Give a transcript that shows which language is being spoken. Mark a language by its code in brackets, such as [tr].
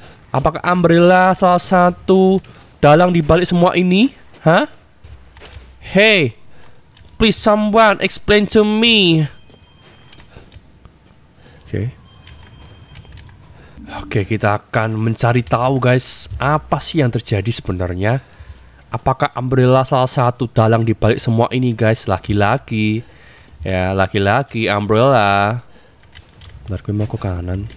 [id] Apakah Umbrella salah satu dalang di balik semua ini? Hah? [en] Hey, please someone explain to me. Oke. Okay. [id] Oke, kita akan mencari tahu, guys, apa sih yang terjadi sebenarnya? Apakah Umbrella salah satu dalang di balik semua ini, guys? Laki-laki. Ya, laki-laki Umbrella. Bentar, gue mau ke kanan.